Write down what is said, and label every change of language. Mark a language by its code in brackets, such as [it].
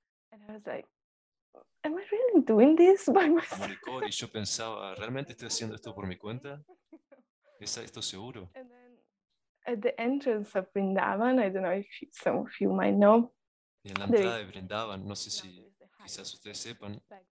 [en] And I was like, am I really doing this by myself? [es] Alcohol, y yo pensaba, ¿realmente estoy haciendo esto por mi cuenta? ¿Es esto seguro? [en] And then at the entrance of Vrindavan, I don't know if some of you might know. [es] Y en la entrada de Vrindavan, no sé si quizás ustedes sepan.